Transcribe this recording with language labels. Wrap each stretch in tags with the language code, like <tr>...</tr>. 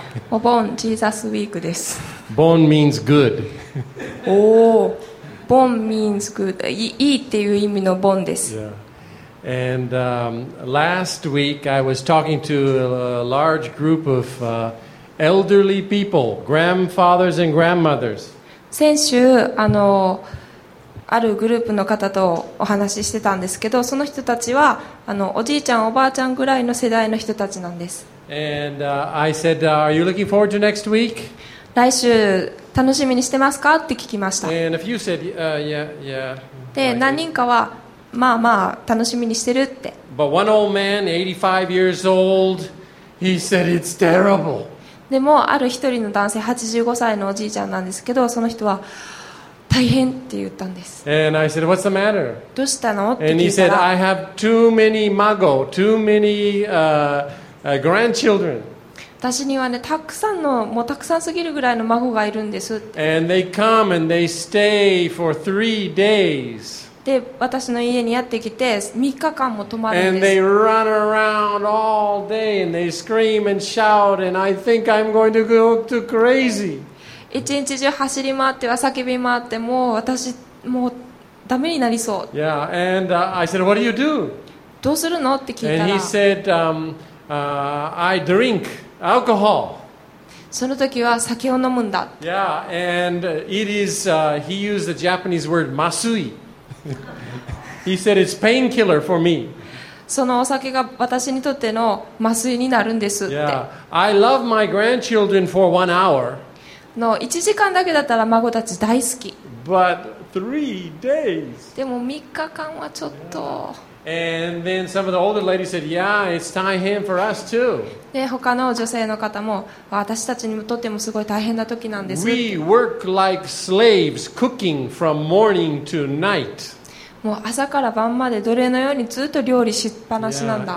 <ja>お盆 Jesus Week です。</ja> <en>Bon means good. おお、Bon means good.</en> <ja>いいっていう意味の Bon です。</ja> <en>Yeah. And last week I was talking to a large group of elderly people, grandfathers and grandmothers.</en> <ja>先週あるグループの方とお話ししてたんですけど、その人たちはおじいちゃんおばあちゃんぐらいの世代の人たちなんです。</ja> <en>And, I said, Are you looking forward to next week?</en> <ja>来週楽しみにしてますかって聞きました。</ja> <en>And a few said, yeah, yeah.</en> <ja>で何人かはまあまあ楽しみにしてるって。</ja> <en>But one old man, 85 years old, he said it's terrible.</en> <ja>でもある一人の男性85歳のおじいちゃんなんですけど、その人は大変って言ったんです。</ja> <en>And I said, What's the matter?</en> <ja>どうしたのって聞いたら、</ja> <en>And he said, I have too many孫, too many grandchildren.</en> <ja>私にはね、たくさんの、もうたくさんすぎるぐらいの孫がいるんですって。</ja> <en>And they come and they stay for 3 days.</en> <ja>で、私の家にやってきて3日間も泊まるんです。</ja> <en>And they run around all day and they scream and shout and I think I'm going to go to crazy.</en> <ja>一日中走り回っては叫び回って、もう私もうダメになりそう。</ja> <en>Yeah, and I said, what do you do?</en> <ja>どうするのって聞いたら、</ja> <en>And he said, I drink alcohol.</en> <ja>その時は酒を飲むんだ。</ja> <en>Yeah, and it is, he used the Japanese word masui. He said it's painkiller for me.</en> <ja>そのお酒が私にとっての麻酔になるんですって。</ja> <en>Yeah, I love my grandchildren for 1 hour.</en> <ja>の1時間だけだったら孫たち大好き。</ja> <en>But three days.</en> <ja>でも3日間はちょっと。</ja> <en>And then some of the older ladies said, Yeah, it's 大変 for us too.</en> <ja>で他の女性の方も、私たちにとってもすごい大変な時なんです。</ja> <en>We work like slaves, cooking from morning to night.</en> <ja>もう朝から晩まで奴隷のようにずっと料理しっぱなしなんだ。</ja>